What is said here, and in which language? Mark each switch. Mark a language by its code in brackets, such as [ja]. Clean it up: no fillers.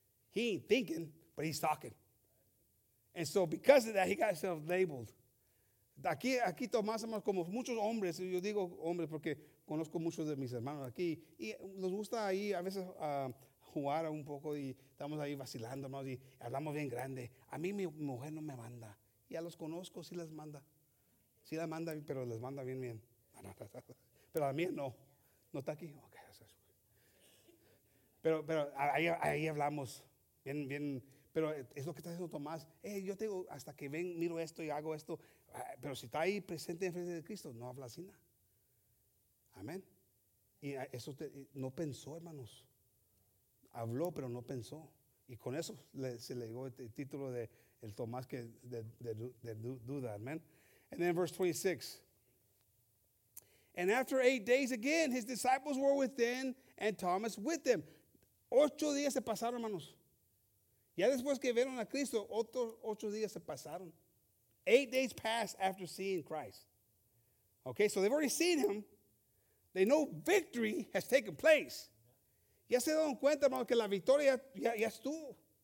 [en] He ain't thinking, but he's talking. And so because of that, he got himself labeled. [es] Aquí Tomás, como muchos hombres, yo digo hombres porque conozco muchos de mis hermanos aquí. Y nos gusta ahí a veces jugar un poco y estamos ahí vacilando, hermanos, y hablamos bien grande. A mí mi mujer no me manda. Ya los conozco, sí las manda. Sí la manda, pero les manda bien, bien. Pero a mí no. ¿No está aquí? Okay. Pero ahí hablamos. Bien, bien. Pero es lo que está haciendo Tomás. Yo te digo, hasta que ven, miro esto y hago esto. Pero si está ahí presente en frente de Cristo, no habla así nada. Amén. Y eso no pensó, hermanos. Habló, pero no pensó. Y con eso se le llegó el título de el Tomás que de duda. [en] Amen. And then verse 26. And after 8 days again, his disciples were within and Thomas with them. [es] 8 días se pasaron, hermanos. Ya después que vieron a Cristo, otros 8 días se pasaron. [en] 8 days passed after seeing Christ. Okay, so they've already seen him. They know victory has taken place. [es] Ya se dieron cuenta, hermano, que la victoria ya estuvo.